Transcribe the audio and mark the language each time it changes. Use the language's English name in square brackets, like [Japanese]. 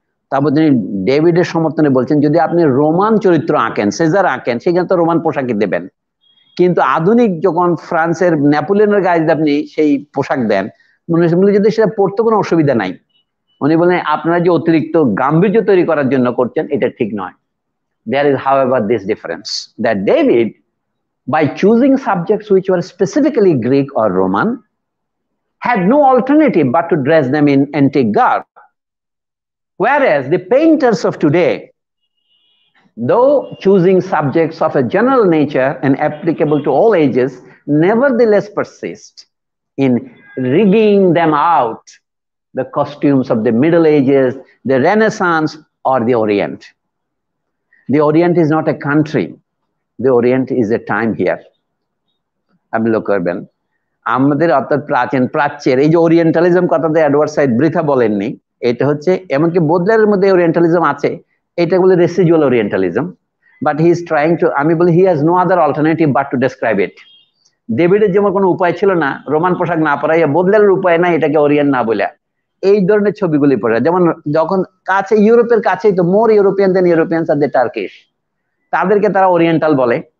[Bangla] তারপর তিনি ডেভিডের সমর্থনে বলছেন, যদি আপনি রোমান চরিত্র আঁকেন, সেজার আঁকেন, সেখানে তো রোমান পোশাকই দেবেন, কিন্তু আধুনিক যখন ফ্রান্সের নেপোলিয়নের গায়ে যদি আপনি সেই পোশাক দেন, মনে হচ্ছে যদি সেটা পড়তে কোনো অসুবিধা নাই। উনি বলেন, আপনারা যে অতিরিক্ত গাম্ভীর্য তৈরি করার জন্য করছেন, এটা ঠিক নয়। [English] There is, however, this difference, that David, by choosing subjects which were specifically Greek or Roman, had no alternative but to dress them in antique garb. Whereas the painters of today, though choosing subjects of a general nature and applicable to all ages, nevertheless persist in rigging them out, the costumes of the Middle Ages, the Renaissance, or the Orient. The Orient is not a country. The Orient is a time here. I'm looking at them. [Bangla] আমাদের অর্থাৎ প্রাচীন প্রাচ্যের এই যে Orientalism কথা তো Edward side বৃথা বলেননি, এটা হচ্ছে, এমনকি বোদলারের মধ্যে ওরিয়েন্টালিজম আছে, এটা বলে রেসিজুয়াল Orientalism, [English] but he is trying to, [Bangla] আমি বলি [English] He has no other alternative but to describe it. [Bangla] ডেভিডের যেমন কোনো উপায় ছিল না রোমান পোশাক না পরা, ইয়া বোদলারের উপায় না এটাকে ওরিয়েন্ট না বলে এই ধরনের ছবিগুলি পড়ে, যেমন যখন কাছে ইউরোপের কাছেই তো, [English] more European then Europeans are the Turkish, [Bangla] তাদেরকে তারা ওরিয়েন্টাল বলে।